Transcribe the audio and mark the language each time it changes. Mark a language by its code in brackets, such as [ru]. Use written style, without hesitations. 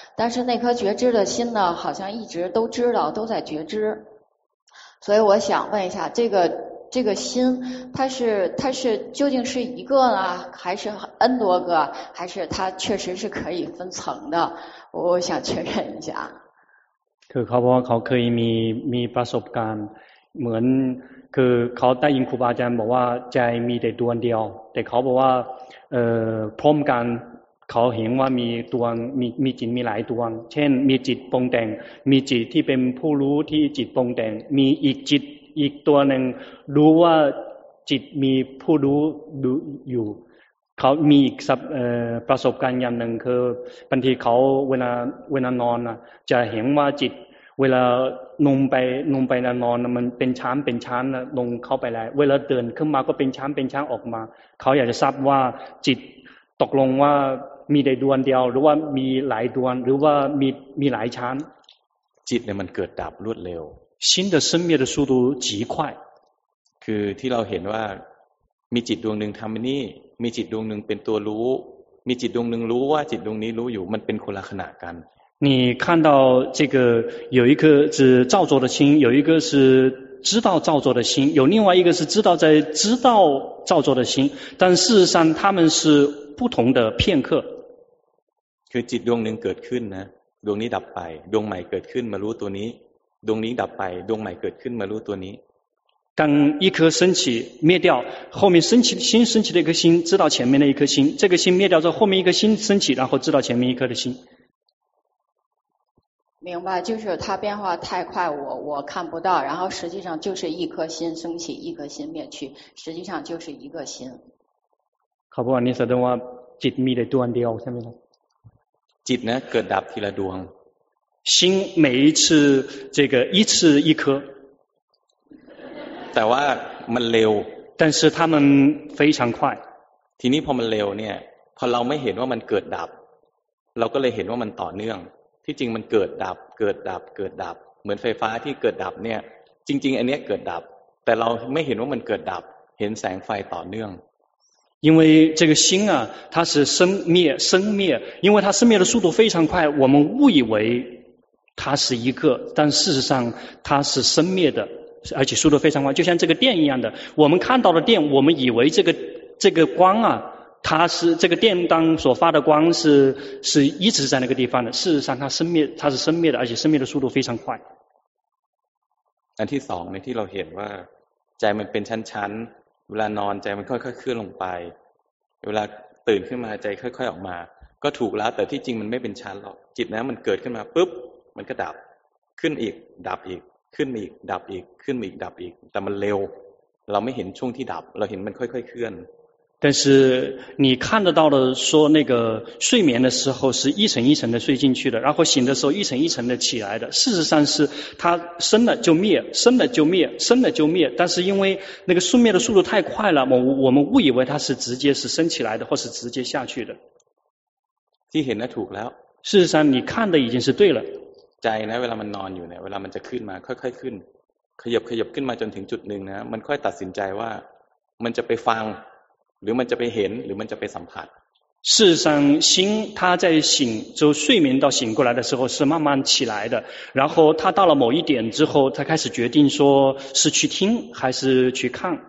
[zh] 但是那颗觉知的心呢，好像一直都知道，都在觉知。所以我想问一下，这个心，它是究竟是一个呢，还是 N 多个，还是它确实是可以分层的？我想确认一下。可靠不？靠可以 [th] มีประสบการณ์เหมือนคือเขาได้ยินครูบาอาจารย์บอกว่าใจมีแต่ดวงเดียวแต่เขาบอกว่าพร้อมกันเขาเห็นว่ามีดวงมีจิตมีหลายดวงเช่นมีจิตปรุงแต่งมีจิตที่เป็นผู้รู้ที่จิตปรุงแต่งมีอีกจิตอีกตัวหนึ่งรู้ว่าจิตมีผู้รู้ดูอยู่เขามีอีกประสบการณ์อย่างหนึ่งคือบางทีเขาเวลานอนนะจะเห็นว่าจิต เวลาลงไปลงไปนอนมันเป็นช้างเป็นช้างลงเข้าไปแล้วเวลาเดินขึ้นมาก็เป็นช้างเป็นช้างออกมาเขาอยากจะทราบว่าจิตตกลงว่ามีแต่ดวงเดียวหรือว่ามีหลายดวงหรือว่ามีหลายช้าง จิตเนี่ยมันเกิดดับรวดเร็ว [zh] 心的生灭的速度极快 [th] คือที่เราเห็นว่ามีจิตดวงนึงทำนี่มีจิตดวงนึงเป็นตัวรู้มีจิตดวงนึงรู้ว่าจิตดวงนี้รู้อยู่มันเป็นคนละขณะกัน [zh] 你看到这个有一颗是造作的心有一个是知道造作的心有另外一个是知道在知道造作的心但事实上他们是不同的片刻 [th] คือจิตดวงนึงเกิดขึ้นนะดวงนี้ดับไปดวงใหม่เกิดขึ้นมารู้ตัวนี้ดวงนี้ดับไปดวงใหม่เกิดขึ้นมารู้ตัวนี้ [zh] 当一颗升起灭掉后面升起新升起的一颗心知道前面的一颗心这个心灭掉之后后面一颗心升起然后知道前面一颗的心明白就是它变化太快我看不到然后实际上就是一颗心升起一颗心灭去实际上就是一个心 [th] ขอบคุณนิสสันว่าจิตมีแต่ดวงเดียวใช่ไหมครับ จิตนะเกิดดับทีละดวง [zh] 心每一次这个一次一颗 [th] แต่ว่ามันเร็ว [zh] 但是他们非常快 [th] ทีนี้พอมันเร็วเนี่ยพอเราไม่เห็นว่ามันเกิดดับเราก็เลยเห็นว่ามันต่อเนื่องที่จริงมันเกิดดับเกิดดับเกิดดับเหมือนไฟฟ้าที่เกิดดับเนี่ยจริงๆอันนี้เกิดดับแต่เราไม่เห็นว่ามันเกิดดับเห็นแสงไฟต่อเนื่อง [zh] 因为这个心啊它是生灭生灭因为它生灭的速度非常快我们误以为它是一个但事实上它是生灭的而且速度非常快就像这个电一样的我们看到的电我们以为这个光啊它是这个电当所发的光是一直在那个地方的事实上它是生灭的而且生灭的速度非常快 [th] อันที่สองในที่เราเห็นว่าใจมันเป็นชั้นๆเวลานอนใจมันค่อยๆเคลื่อนลงไปเวลาตื่นขึ้นมาใจค่อยๆออกมาก็ถูกแล้วแต่ที่จริงมันไม่เป็นชั้นหรอกจิตนะมันเกิดขึ้นมาปุ๊บมันก็ดับขึ้นอีกดับอีกขึ้นอีกดับอีกขึ้นอีกดับอีกแต่มันเร็วเราไม่เห็นช่วงที่ดับเราเห็นมันค่อยๆเคลื่อน [zh] 但是你看得到的说那个睡眠的时候是一层一层的睡进去的然后醒的时候一层一层的起来的事实上是它生了就灭生了就灭生了就灭但是因为那个生灭的速度太快了我们误以为它是直接是升起来的或是直接下去的 [th] ที่เห็นนะถูกแล้ว [zh] 事实上你看的已经是对了 [th] ใจนะเวลามันนอนอยู่เนี่ยเวลามันจะขึ้นมาค่อยๆขึ้นขยับขยับขึ้นมาจนถึงจุดหนึ่งนะมันค่อยตัดสินใจว่ามันจะไปฟังหรือมันจะไปเห็นหรือมันจะไปสัมผัส [zh] 事实上心它在醒就睡眠到醒过来的时候是慢慢起来的然后它到了某一点之后它开始决定说是去听还是去看